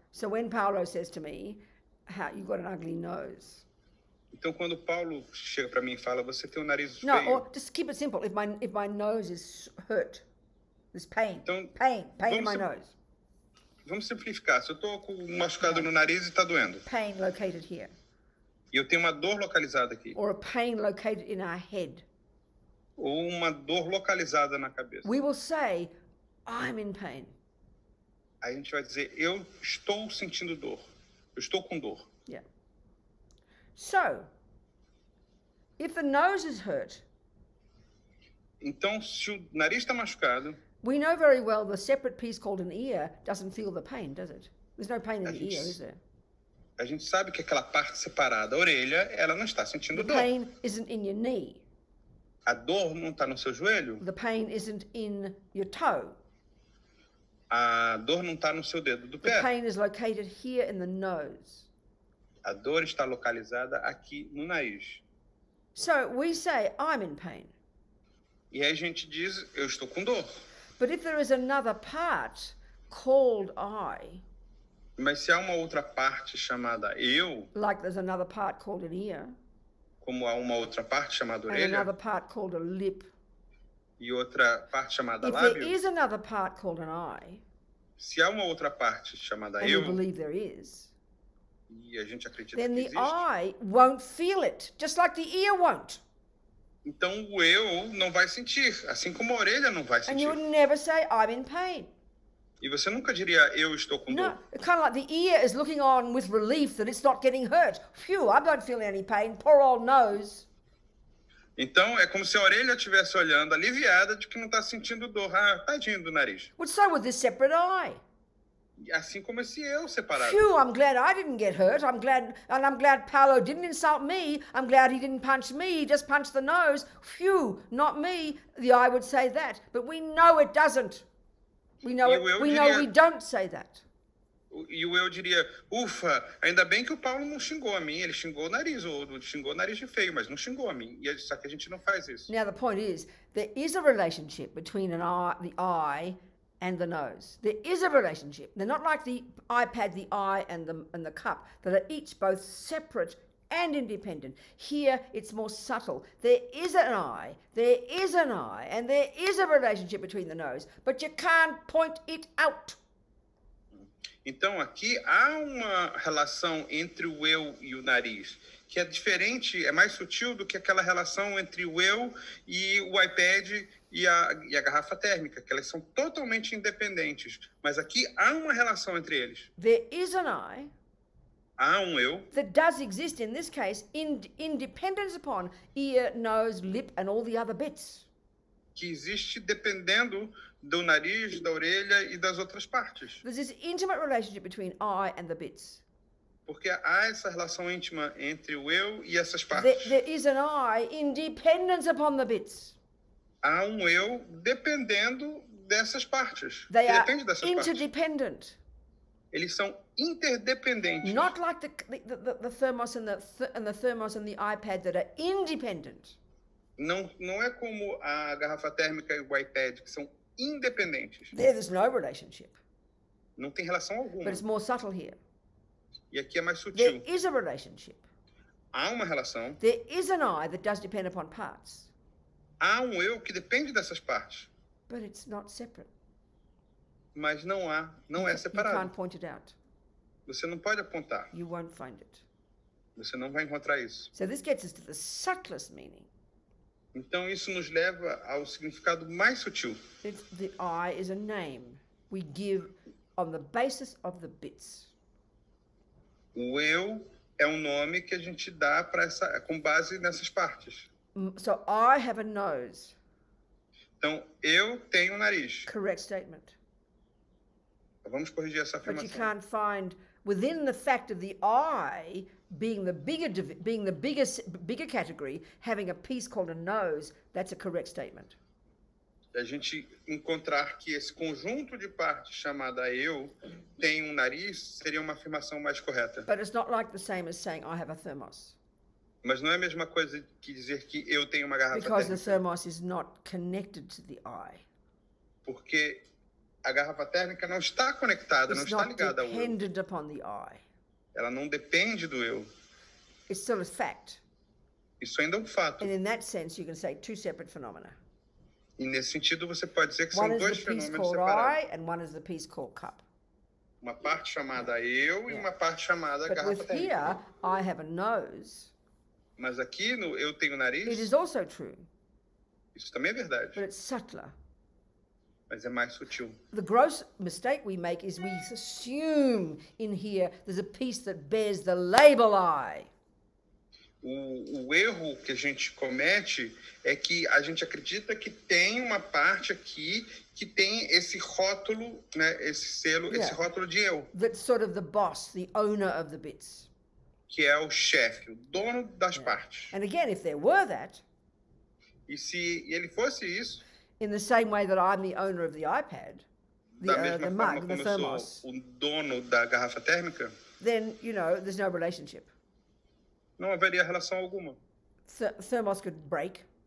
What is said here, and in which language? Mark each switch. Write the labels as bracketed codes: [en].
[en] So, when Paulo says to me, you got an ugly nose. [pt] Então, quando o Paulo chega para mim e fala, você tem um nariz feio. [en] No, or just keep it simple. If my nose is hurt, there's pain. [pt] Então, [en] pain in my nose. [pt] Vamos simplificar. Se eu estou com um machucado no nariz e está doendo. [en] Pain located here. [pt] E eu tenho uma dor localizada aqui. [en] Or a pain located in our head. [pt] Ou uma dor localizada na cabeça. [en] We will say, I'm in pain. [pt] Aí a gente vai dizer, eu estou sentindo dor. Eu estou com dor. [en] Yeah. So, if the nose is hurt, [pt] então, se o nariz está machucado, [en] we know very well the separate piece called an ear doesn't feel the pain, does it? There's no pain in the ear, is there? [pt] A gente sabe que aquela parte separada, a orelha, ela não está sentindo dor. [en] The pain isn't in your knee. [pt] A dor não está no seu joelho. [en] The pain isn't in your toe. [pt] A dor não está no seu dedo do pé. [en] pain is located here in the nose. [pt] A dor está localizada aqui no nariz. [en] So we say, I'm in pain. [pt] E aí a gente diz, eu estou com dor. [en] But if there is another part called I. [pt] Mas se há uma outra parte chamada eu. [en] Like there's another part called an ear. [pt] como há uma outra parte chamada orelha, [en] and another part called a lip. [pt] E outra parte chamada [en] if [pt] lábio, [en] there is another part called an eye, [pt] se há uma outra parte chamada [en] and [pt] eu, [en] you believe there is, [pt] e a gente acredita [en] then [pt] que [en] the [pt] existe, [en] eye won't feel it, just like the ear won't. [pt] Então o eu não vai sentir, assim como a orelha não vai sentir. [en] And you would never say, I'm in pain. [pt] E você nunca diria, eu estou com dor. [en] No, kind of like the ear is looking on with relief that it's not getting hurt. Phew, I don't feel any pain, poor old nose. [pt] Então é como se a orelha estivesse olhando aliviada de que não está sentindo dor. Ah, tadinho do nariz. [en] But so with this separate eye. [pt] Assim como esse eu separado. [en] Phew, I'm glad I didn't get hurt. I'm glad, and I'm glad Paolo didn't insult me. I'm glad he didn't punch me. He just punched the nose. Phew, not me. The eye would say that. But we know it doesn't. We know, [pt] diria, [en] we know we don't say that. [pt] E o eu diria, ufa, ainda bem que o Paulo não xingou a mim. Ele xingou o nariz, ou xingou o nariz de feio, mas não xingou a mim. E só que a gente não faz isso. [en] Now the point is, there is a relationship between an eye, the eye, and the nose. There is a relationship. They're not like the iPad, the eye, and the cup. That are each both separate and independent. Here, it's more subtle. There is an eye. There is an eye. And there is a relationship between the nose. But you can't point it out. [pt] Então, aqui, há uma relação entre o eu e o nariz, que é diferente, é mais sutil do que aquela relação entre o eu e o iPad e a garrafa térmica, que elas são totalmente independentes. Mas aqui, há uma relação entre eles. [en] There is an I. [pt] Há um eu. [en] That does exist, in this case, independent upon ear, nose, lip, and all the other bits. [pt] Que existe dependendo do nariz, da orelha e das outras partes. [en] There's this intimate relationship between I and the bits. [pt] Porque há essa relação íntima entre o eu e essas partes. [en] There is an I in dependence upon the bits. [pt] Há um eu dependendo dessas partes. [en] They [pt] que depende dessas [en] are interdependent. [pt] Partes. Eles são interdependentes. [en] Not like the thermos and the thermos and the iPad that are independent. [pt] Não é como a garrafa térmica e o iPad que são independentes. [en] There, there's no relationship. [pt] Não tem relação alguma. [en] But it's more subtle here. [pt] E aqui é mais sutil. [en] There is a relationship. [pt] Há uma relação. [en] There is an I that does depend upon parts. [pt] Há um eu que depende dessas partes. [en] But it's not separate. [pt] Mas não há, não [en] you [pt] é separado. [en] You can't point it out. [pt] Você não pode apontar. [en] You won't find it. [pt] Você não vai encontrar isso. [en] So this gets us to the subtlest meaning. [pt] Então isso nos leva ao significado mais sutil. [en] It's the eye is a name we give on the basis of the bits. [pt] O eu é um nome que a gente dá para essa com base nessas partes. [en] So I have a nose. [pt] Então eu tenho um nariz. [en] Correct statement. [pt] Vamos corrigir essa afirmação. [en] But you can't find within the fact of the eye being the bigger, being the biggest, bigger category, having a piece called a nose, that's a correct statement. [pt] A gente encontrar que esse conjunto de partes chamada eu tem um nariz seria uma afirmação mais correta. [en] But it's not like the same as saying I have a thermos. [pt] Mas não é a mesma coisa que dizer que eu tenho uma garrafa [en] because [pt] térmica. [en] The thermos is not connected to the eye. [pt] Porque a garrafa térmica não está conectada, [en] it's [pt] não está ligada ao eu. [en] Dependent upon the eye. [pt] Ela não depende do eu. [en] It's still a fact. [pt] Isso ainda é um fato. [en] And in that sense, you can say two separate phenomena. [pt] E nesse sentido, você pode dizer que [en] one [pt] são dois fenômenos separados. [en] I, and one is the piece called cup. [pt] Uma parte chamada eu e uma parte chamada [en] but [pt] garrafa [en] with [pt] térmica. [en] Here, I have a nose. [pt] Mas aqui, no eu tenho o nariz. It is also true. Isso também é verdade. But it's subtler. Mas é mais sutil. [en] The gross mistake we make is we assume in here there's a piece that bears the label I. [pt] O erro que a gente comete é que a gente acredita que tem uma parte aqui que tem esse rótulo, né, esse selo, esse rótulo de eu. [en] That's sort of the boss, the owner of the bits. [pt] Que é o chefe, o dono das partes. [en] And again, if there were that. [pt] E se ele fosse isso. [en] In the same way that I'm the owner of the iPad, the mug, the thermos, [pt] o dono da garrafa térmica, [en] then, you know, there's no relationship. [pt] Não haveria relação alguma. [en] Thermos could break.